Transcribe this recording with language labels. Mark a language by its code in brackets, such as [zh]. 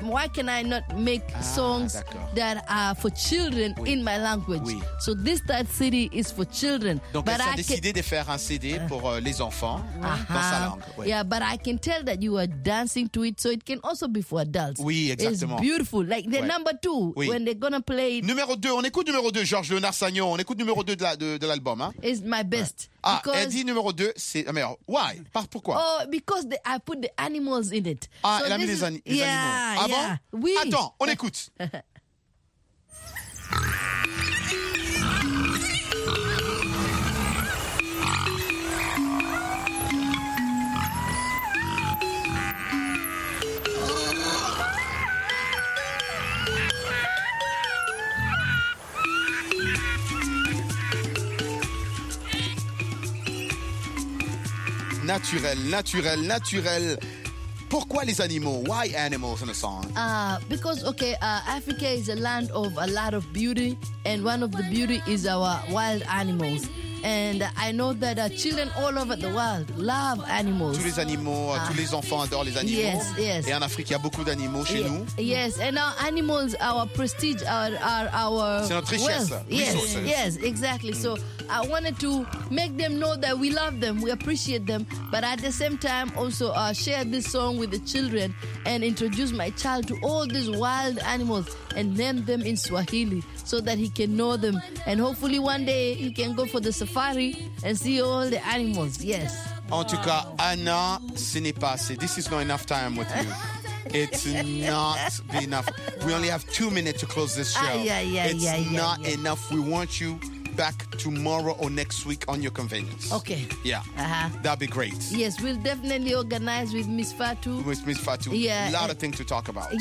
[en] Why can I not make songs that are for children in my language? [fr] Oui. [en] So this third CD is for children. [fr] Donc [en] but [fr] elle s'est décidé de faire un CD pour les enfants dans sa langue. Oui. [en] Yeah, but I can tell that you are dancing to it, so it can also be for adults. [fr] Oui, exactement. [en] It's beautiful. Like the number two, when they're going to play it. [fr] On écoute numéro 2, Georges Léonard Sagnon. On écoute numéro 2 de l'album. Hein. [en] It's my best. [fr] Ah, elle dit numéro 2, c'est la meilleure. Why? Pourquoi? [en] Oh, because I put the animals in it. [fr] Ah, so elle a mis les animaux. [en] Yeah, [fr] ah bon? [en] Yeah. Oui. [fr] Attends, on écoute. Naturel, naturel, naturel. Pourquoi les animaux? [en] Why animals in a song? Africa is a land of a lot of beauty, and one of the beauty is our wild animals. And I know that children all over the world love animals. [fr] Tous les animaux, tous les enfants adorent les animaux. [en] Yes, yes. [fr] Et en Afrique, il y a beaucoup d'animaux chez nous. [en] Yes, and our animals, our prestige, are our [fr] c'est notre richesse, [en] wealth. Resources. Yes, exactly. Mm. So I wanted to make them know that we love them, we appreciate them, but at the same time also share this song with the children and introduce my child to all these wild animals and name them in Swahili so that he can know them. And hopefully one day he can go for the safari and see all the animals, yes. [fr] En tout cas, Anna, ce n'est pas assez. [en] This is not enough time with you. It's not enough. We only have 2 minutes to close this show. It's not enough. We want you back tomorrow or next week on your convenience. Okay. Yeah. Uh-huh. That'd be great. Yes, we'll definitely organize with Miss Fatou. With Miss Fatou. Yeah. A lot of things to talk about.